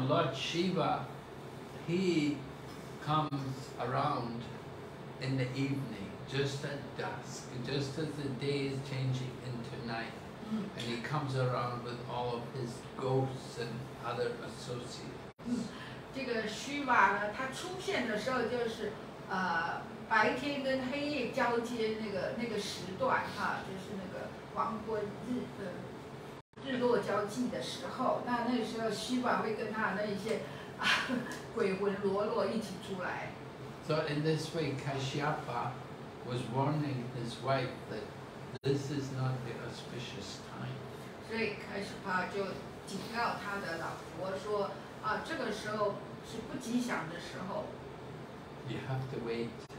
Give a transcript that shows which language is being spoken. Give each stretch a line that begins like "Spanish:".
English: Lord Shiva, he comes around in the evening, just at dusk, just as the day is changing into night, and he comes around with all of his ghosts and other associates.
Chinese: 这个Shiva呢，他出现的时候就是。白天跟黑夜交接那个时段哈、啊，就是那个黄昏日落交际的时候，那时候西瓦会跟他的那一些、啊、鬼魂罗罗一起出来。
English: So in this way, Kashyapa was warning his wife that this is not the auspicious time.
Chinese: 所以 Kashyapa 就警告他的老婆说啊，这个时候是不吉祥的时候。
English: You have to wait.